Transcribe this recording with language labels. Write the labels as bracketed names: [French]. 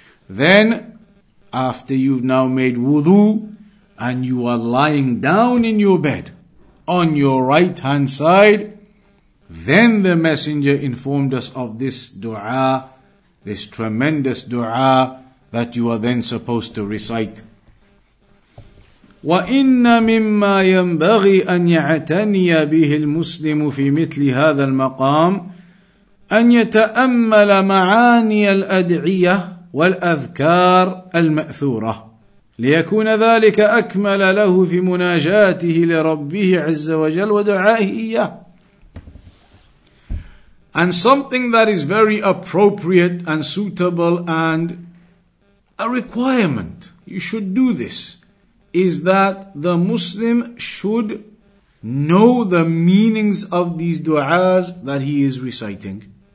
[English] Then, after you've now made wudu and you are lying down in your bed on your right hand side, then the Messenger informed us of this dua, this tremendous dua that you are then supposed to recite. [Arabic] وَإِنَّ مِمَّا يَنْبَغِي أَنْ يَعْتَنِيَ بِهِ الْمُسْلِمُ فِي مِثْلِ هَذَا الْمَقَامِ أَنْ يَتَأَمَّلَ مَعَانِيَ الْأَدْعِيَةِ والأذكار المأثورة ليكون ذلك أكمل له في مناجاته لربه عز وجل ودعائه إياه. [English] And something that is very appropriate and suitable and a requirement, you should do this, is that the Muslim should know the meanings of these du'as that he is reciting.